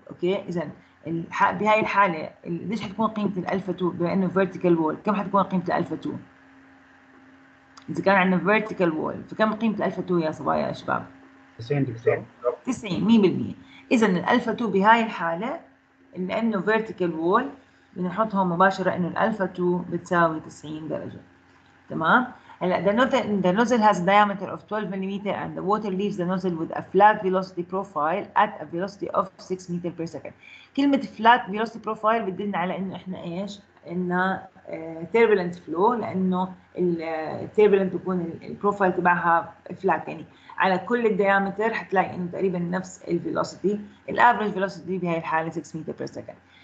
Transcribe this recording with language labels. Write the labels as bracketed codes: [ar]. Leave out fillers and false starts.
[ar] Okay, إذا بهاي الحالة ليش حتكون قيمة الألفا 2 بأنه vertical wall؟ كم حتكون قيمة الألفا 2 إذا كان عندنا vertical wall؟ فكم قيمة الألفا 2 يا صبايا يا شباب؟ 90% 100%. إذا الألفا 2 بهاي الحالة لأنه vertical wall بنحطها مباشرة إنه الألفا 2 بتساوي 90 درجة. [en] تمام؟ هلا the nozzle has a diameter of 12 millimeter and the water leaves the nozzle with a flat velocity profile at a velocity of 6 meter per second. [ar] كلمة flat velocity profile بتدلنا على إنه إحنا إيش؟ إنه turbulent flow لأنه turbulent بكون البروفايل تبعها flat يعني على كل الديامتر حتلاقي إنه تقريبا نفس الفيلوسيتي الـ average velocity بهاي الحالة 6 متر per second.